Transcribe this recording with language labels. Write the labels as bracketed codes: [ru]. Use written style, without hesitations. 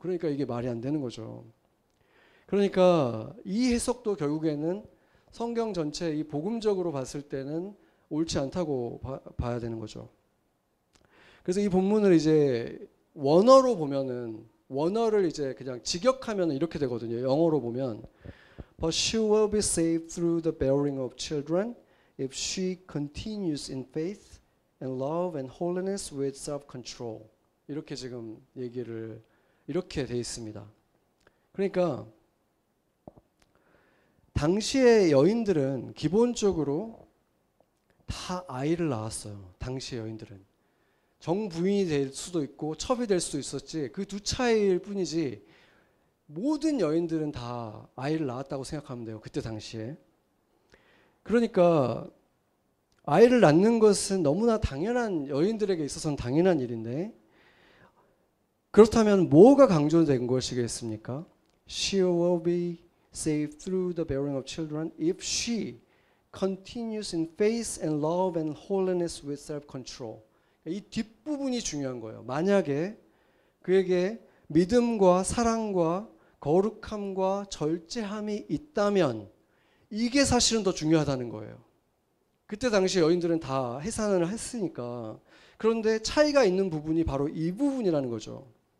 [ko] 그러니까 이게 말이 안 되는 거죠. 그러니까 이 해석도 결국에는 성경 전체 이 복음적으로 봤을 때는 옳지 않다고 봐야 되는 거죠. 그래서 이 본문을 이제 원어로 보면은, 원어를 이제 그냥 직역하면 이렇게 되거든요. 영어로 보면 [en] But she will be saved through the bearing of children if she continues in faith and love and holiness with self-control. [ko] 이렇게 지금 얘기를, 이렇게 돼 있습니다. 그러니까 당시의 여인들은 기본적으로 다 아이를 낳았어요. 당시의 여인들은 정부인이 될 수도 있고 첩이 될 수도 있었지, 그 두 차이일 뿐이지 모든 여인들은 다 아이를 낳았다고 생각하면 돼요, 그때 당시에. 그러니까 아이를 낳는 것은 너무나 당연한, 여인들에게 있어서는 당연한 일인데, 그렇다면 뭐가 강조된 것이겠습니까? [en] She will be saved through the bearing of children if she continues in faith and love and holiness with self-control. [ko] 이 뒷부분이 중요한 거예요. 만약에 그에게 믿음과 사랑과 거룩함과 절제함이 있다면, 이게 사실은 더 중요하다는 거예요. 그때 당시 여인들은 다 해산을 했으니까. 그런데 차이가 있는 부분이 바로 이 부분이라는 거죠.